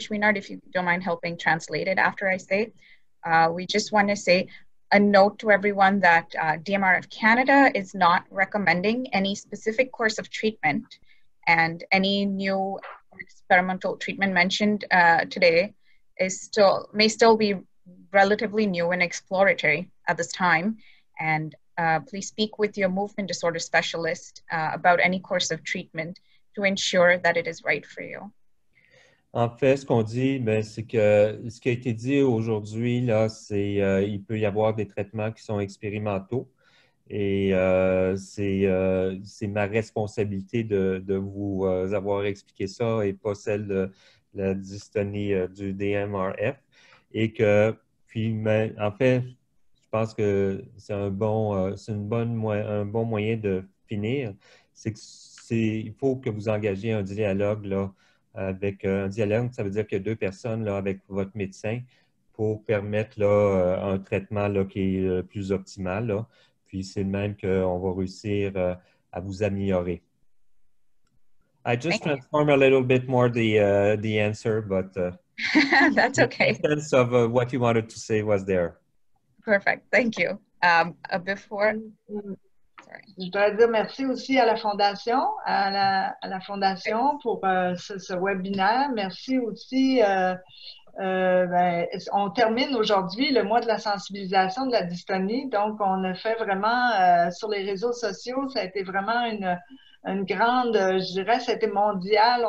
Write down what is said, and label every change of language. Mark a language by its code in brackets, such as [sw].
[en] Srinath, if you don't mind helping translate it after I say. We just want to say a note to everyone that DMR of Canada is not recommending any specific course of treatment, and any new experimental treatment mentioned today may still be relatively new and exploratory at this time. And please speak with your movement disorder specialist about any course of treatment to ensure that it is right for you. [fr] En fait, ce qu'on dit, bien, c'est que ce qui a été dit aujourd'hui, là, c'est qu'il peut y avoir des traitements qui sont expérimentaux. Et c'est ma responsabilité de vous avoir expliqué ça et pas celle de la dystonie du DMRF et que, puis mais, en fait, je pense que c'est un bon moyen de finir, c'est que il faut que vous engagiez un dialogue là, avec un dialogue, ça veut dire qu'il y a deux personnes là, avec votre médecin pour permettre là, un traitement là, qui est le plus optimal. Là. Puis c'est le même qu'on va réussir à vous améliorer. [en] I just transform a little bit more the answer, but that's okay. The sense of what you wanted to say was there. Perfect, thank you. [fr] Je voudrais dire merci aussi à la Fondation, à la Fondation pour ce webinaire. Merci aussi. On termine aujourd'hui le mois de la sensibilisation de la dystonie, donc on a fait vraiment sur les réseaux sociaux, ça a été vraiment une grande, je dirais, c'était mondial.